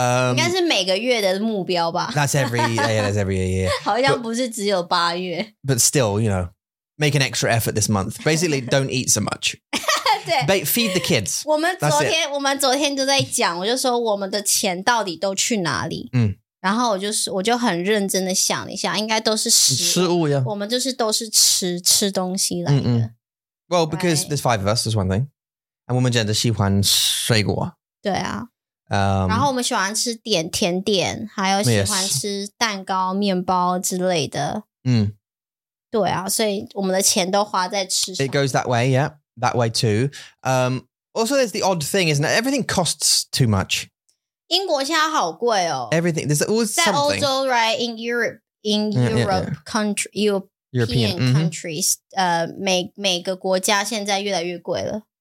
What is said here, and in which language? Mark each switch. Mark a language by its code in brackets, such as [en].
[zh] 应该是每个月的目标吧。 [en] That's every year. Yeah, that's every year. [zh] 好像不是只有八月。 [en] But still, you know, make an extra effort this month. Basically, don't eat so much. [zh] 对。 [en] Feed the kids. [zh] 我们昨天就在讲，我就说我们的钱到底都去哪里。然后我就很认真的想一下，应该都是食物呀。我们就是都是吃东西来的。 [en] Well, because there's five of us, is one thing. [zh] And 我们真的喜欢水果。对啊，然后我们喜欢吃点甜点，还有喜欢吃蛋糕、面包之类的。对啊，所以我们的钱都花在吃上。 [en] It goes that way, yeah, that way too. Also, there's the odd thing, isn't it? Everything costs too much. [zh] 英国现在好贵哦。 [en] Everything, there's always something. [zh] 在欧洲 [en] right, in European countries, [zh] 每个国家现在越来越贵了。